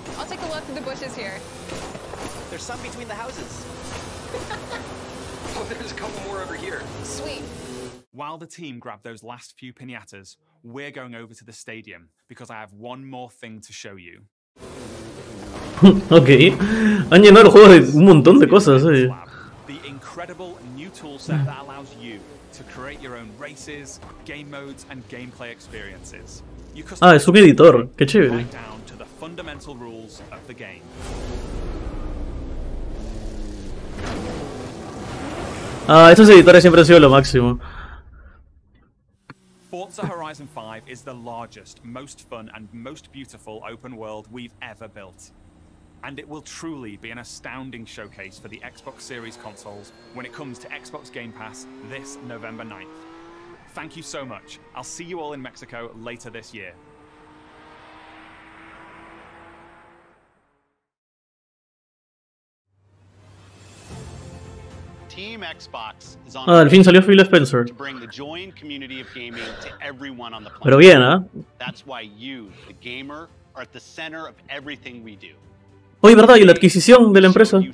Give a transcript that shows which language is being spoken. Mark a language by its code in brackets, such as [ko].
[en] I'll take a look through the bushes here. There's some between the houses. Oh, there's a couple more over here. Sweet. While the team grab those last few piñatas, we're going over to the stadium because I have one more thing to show you. [es] Ok, han llenado el juego de un montón de cosas. [en] The incredible new toolset that allows you to create your own races, game modes, and gameplay experiences. [es] Ah, es un editor, qué chévere. [en] Down to the fundamental rules of the game. [es] Ah, estos editores siempre han sido lo máximo. [en] Forza Horizon 5 is the largest, most fun, and most beautiful open world we've ever built. And it will truly be an astounding showcase for the Xbox Series consoles when it comes to Xbox Game Pass this November 9th. Thank you so much. I'll see you all in Mexico later this year. Team Xbox is [es] on. Ah, al fin salió Phil Spencer. [en] To bring the joined community of gaming to everyone on the planet. [es] Pero bien, ¿eh? [en] That's why you, the gamer, are at the center of everything we do. [es] Oye, ¿verdad? Y la adquisición de la empresa.